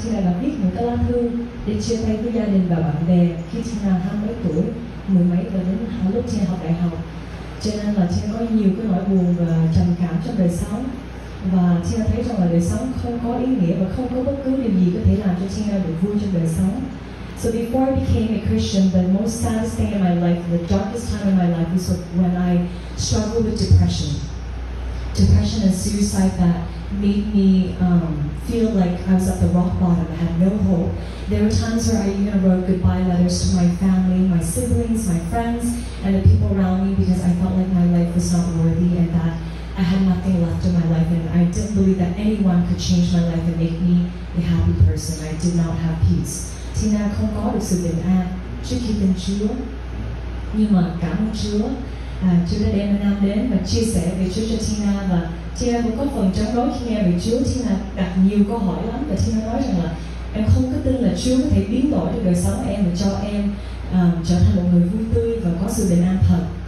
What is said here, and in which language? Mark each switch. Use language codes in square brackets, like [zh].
[vi] Tina đã viết một cái lá thư để chia tay với gia đình và bạn bè khi Tina 20 tuổi, mười mấy và đến lúc Tina học đại học. Cho nên là Tina có nhiều cái nỗi buồn và trầm cảm trong đời sống, và Tina thấy rằng là đời sống không có ý nghĩa và không có bất cứ điều gì có thể làm cho Tina được vui trong đời sống. [en] So before I became a Christian, the most saddest thing in my life, the darkest time in my life, was when I struggled with depression. Depression and suicide that made me feel like I was at the rock bottom. I had no hope. There were times where I even wrote goodbye letters to my family, my siblings, my friends, and the people around me, because I felt like my life was not worthy and that I had nothing left in my life. And I didn't believe that anyone could change my life and make me a happy person. I did not have peace. [vi] Tina không có được sự bình an trước khi tin Chúa. Nhưng mà cảm ơn Chúa, Chúa đã đem Nam đến và chia sẻ về Chúa cho Tina. Và Tina cũng có phần chống đối khi nghe về Chúa. Tina đặt nhiều câu hỏi lắm, và Tina nói rằng là em không có tin là Chúa có thể biến đổi được đời sống em và cho em trở thành một người vui tươi và có sự bình an thật.